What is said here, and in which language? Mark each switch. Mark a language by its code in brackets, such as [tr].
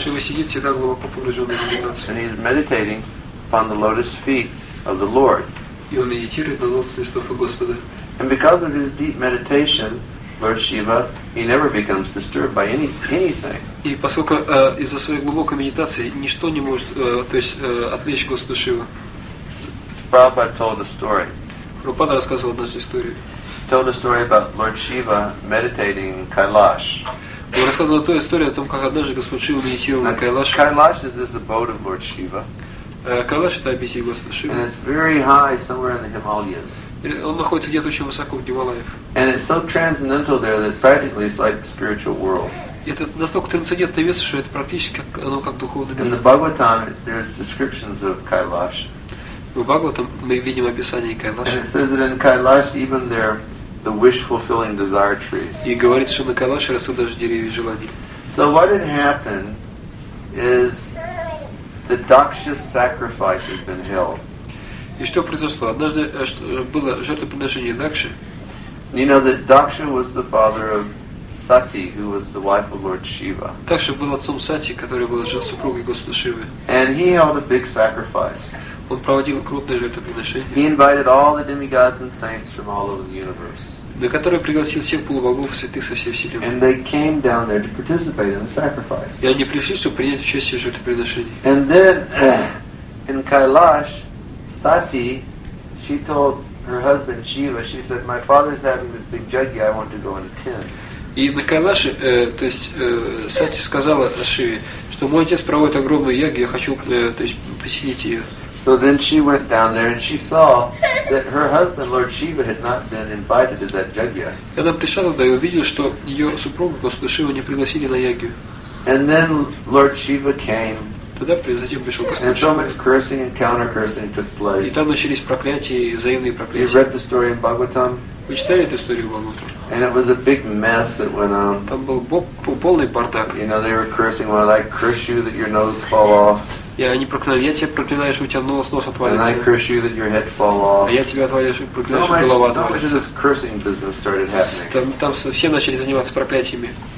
[ru] Шива сидит всегда глубоко погруженный в медитацию. [en] And he is meditating upon the lotus feet of the Lord. [ru] И он медитирует на лотосных стопах Господа. [en] And because of his deep meditation, Lord Shiva, he never becomes disturbed by anything. [ru] И поскольку из-за своей глубокой медитации ничто не может, то есть отвлечь Господа Шиву. [en] Prabhupada told a story. [ru] Prabhupada рассказывал однажды историю. [en] He told a story about Lord Shiva meditating in Kailash. [ru] Он рассказывал ту историю о том, как однажды Господь Шива медитировал на Кайлаше. [en] Kailash is this abode of Lord Shiva. [ru] Кайлаш — это обитель Господа Шивы. [en] And it's very high somewhere in the Himalayas. [ru] Он находится где-то очень высоко в Гималаях. [en] And it's so transcendental there that practically it's like the spiritual world. [ru] Это настолько трансцендентное место, что это практически как, оно как духовный мир. [en] In the Bhagavatam there's descriptions of Kailash. [ru] В Бхагаватам мы видим описание Кайлаша. [en] And it says that in Kailash even there the wish-fulfilling desire trees. [ru] И говорит, что на Кайлаше растут даже деревья желаний. [en] So what had happened is the daksha sacrifice has been held. [ru] И что произошло? Однажды было жертвоприношение дакши. [en] You know that daksha was the father of Sati, who was the wife of Lord Shiva. [ru] Дакша был отцом Сати, который был жен супругой Господа Шивы. [en] And he held a big sacrifice. [ru] Он проводил крупное жертвоприношение. [en] He invited all the demigods and saints from all over the universe. [ru] На которое пригласил всех полубогов и святых со всей вселенной. [en] And they came down there to participate in the sacrifice. [ru] И они пришли, чтобы принять участие в жертвоприношении. [en] And then in Kailash, Sati, she told her husband Shiva, she said, "My father's having this big yagya. I want to go and attend." [ru] И на Кайлаше, то есть Сати сказала Шиве, что мой отец проводит огромную ягью, я хочу, то есть посетить ее. [en] So then she went down there and she saw that her husband Lord Shiva had not been invited to that yagya. [ru] И она пришла туда и увидела, что ее супруг Господь Шива не пригласили на ягью. [en] And then Lord Shiva came. [ru] Тогда затем пришел Господь. [en] And so much cursing and counter-cursing took place. [ru] И там начались проклятия и взаимные проклятия. [en] You read the story in Bhagavatam. [ru] Вы читали эту историю в Бхагавате? [en] And it was a big mess that went on. [ru] Там был полный бардак. [en] You know, they were cursing, "Well, I curse you that your nose fall off." [ru] Я не проклинаю, я тебя проклинаю, что у тебя нос отвалится. [en] And I curse you that your head fall off. [ru] А я тебя отвалю, что проклинаю, что голова отвалится. [en] So much of this cursing business started happening. [ru] Там все начали заниматься проклятиями.